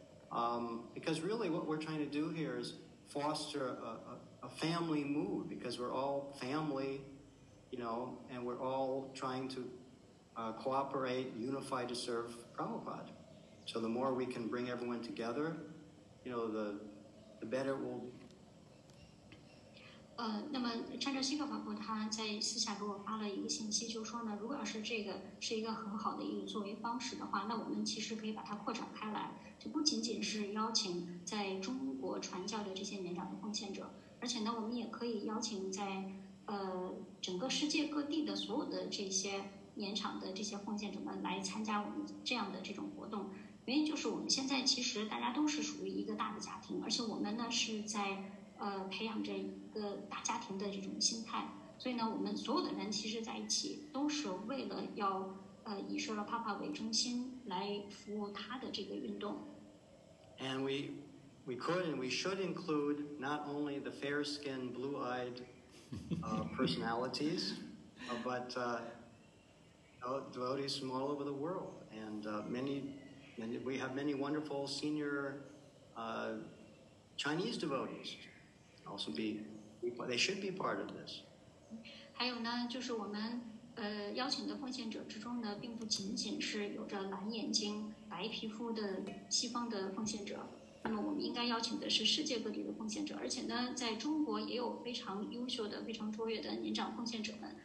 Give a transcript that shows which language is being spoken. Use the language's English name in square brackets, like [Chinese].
[English] Because really what we're trying to do here is foster a family mood, because we're all family, you know, and we're all trying to cooperate, unify to serve Prabhupada. So the more we can bring everyone together, you know, the better it will be. [Chinese] 那么趁着西克法布他在私下给我发了一个信息，就说呢，如果要是这个是一个很好的一个作为方式的话，那我们其实可以把它扩展开来，就不仅仅是邀请在中国传教的这些年长的奉献者，而且呢，我们也可以邀请在整个世界各地的所有的这些年长的这些奉献者们来参加我们这样的这种活动。原因就是我们现在其实大家都是属于一个大的家庭，而且我们呢是在培养着一个大家庭的这种心态，所以呢，我们所有的人其实在一起都是为了要以舍罗帕帕为中心来服务他的这个运动。 [English] And we could and we should include not only the fair-skinned, blue-eyed personalities, but devotees from all over the world, and many we have many wonderful senior Chinese devotees. Also be, they should be part of this. [Chinese] 还有呢，就是我们邀请的奉献者之中呢，并不仅仅是有着蓝眼睛、白皮肤的西方的奉献者。那么我们应该邀请的是世界各地的奉献者，而且呢，在中国也有非常优秀的、非常卓越的年长奉献者们。